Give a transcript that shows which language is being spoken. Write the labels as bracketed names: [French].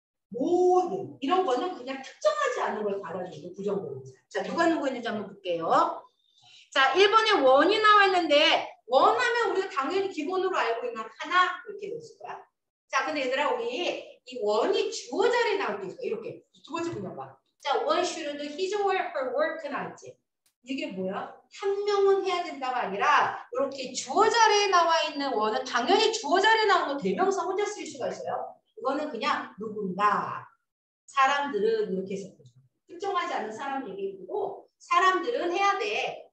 [Korean] 모든 이런 거는 그냥 특정하지 않은 걸 받아들이고 부정대명사. 자, 누가 누구인지 한번 볼게요. 자, 1번에 원이 나와 있는데 원하면 우리가 당연히 기본으로 알고 있는 하나 이렇게 됐을 거야. 자, 근데 얘들아 우리 이 원이 주어 자리에 나올 때 있어. 이렇게 두 번째 그냥 봐. [English] 자, one should do his or her work [Korean] 나왔지. 이게 뭐야? 한 명은 해야 된다가 아니라 이렇게 주어 자리에 나와 있는 원은 당연히 주어 자리에 나온 건 대명사 혼자 쓸 수가 있어요. 이거는 그냥 누군가, 사람들은 이렇게 해서 특정하지 않은 사람 얘기이고 사람들은 해야 돼.